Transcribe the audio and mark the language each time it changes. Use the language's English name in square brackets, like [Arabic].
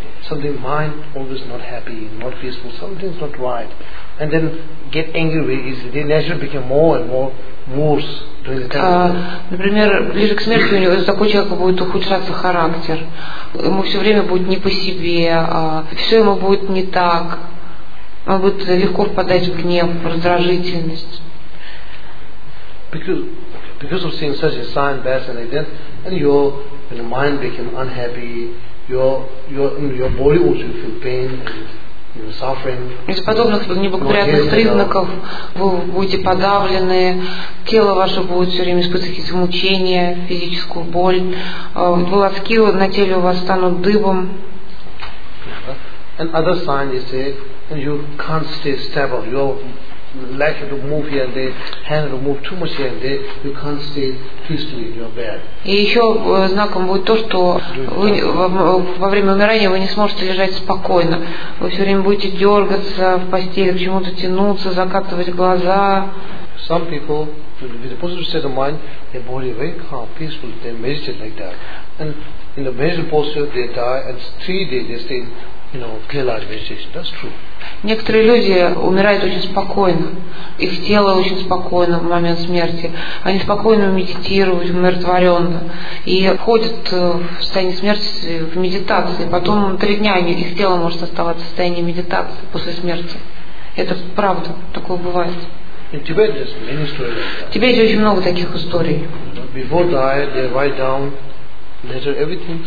[English] Something mind always not happy, not peaceful. Something's not right, and then get angry very easily. The nature become more and more worse during the time. [Russian] Например, ближе к смерти у него такой человек будет ухудшаться характер. Ему все время будет не по себе. Все ему будет не так. Он будет легко впадать в гнев, в раздражительность. [English] Because of seeing such a sign, bad sign like that, and your mind became unhappy. Your body also feel pain and you're suffering. [Russian] Из подобных неблагоприятных признаков вы будете подавлены, тело ваше будет все время испытывать мучения, физическую боль, волоски на теле у вас станут дыбом. [English] And other sign is that you can't stay stable. You lack to move here and there, hand to move too much here and there, you can't stay peacefully in your bed. [Russian] И еще знаком будет то, что вы во время умирания вы не сможете лежать спокойно. Вы все время будете дергаться в постели, к чему-то тянуться, закатывать глаза. [English] Some people with a positive state of mind, their body very calm, peaceful, they meditate like that. And in the meditative posture they die and 3 days they stay, you know, clear light meditation. That's true. [Russian] Некоторые люди умирают очень спокойно, их тело очень спокойно в момент смерти. Они спокойно медитируют, умиротворенно, и входят в состояние смерти в медитации. Потом 3 дня их тело может оставаться в состоянии медитации после смерти. Это правда, такое бывает. Тебе есть очень много таких историй. [English] Before died, they write down letter everything.